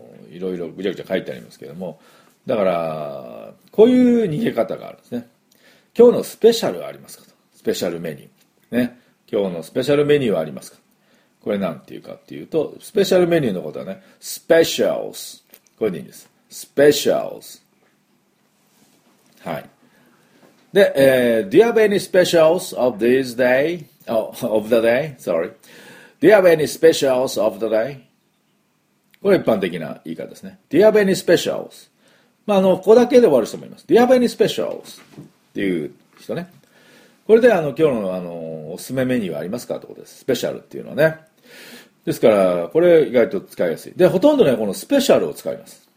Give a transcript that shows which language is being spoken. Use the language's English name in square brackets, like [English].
[Japanese] いろいろぐちゃぐちゃ書いてありますけれども、だから、こういう逃げ方があるんですね。今日のスペシャルはありますかと。スペシャルメニュー。ね。今日のスペシャルメニューはありますか。これなんていうかっていうと、スペシャルメニューのことはね、スペシャルス。これでいいんです。スペシャルス。はい。 [English] で、Do you have any specials of this day? Oh, of the day? Sorry. Do you have any specials of the day? [Japanese] これ一般的な言い方ですね。 [English] Do you have any specials? [Japanese] まあ、ここだけで終わる人もいます。 [English] Do you have any specials? [Japanese] っていう人ね。これで今日の、おすすめメニューはありますかってことです。スペシャルっていうのはね。ですから、これ意外と使いやすい。で、ほとんどね、このスペシャルを使います。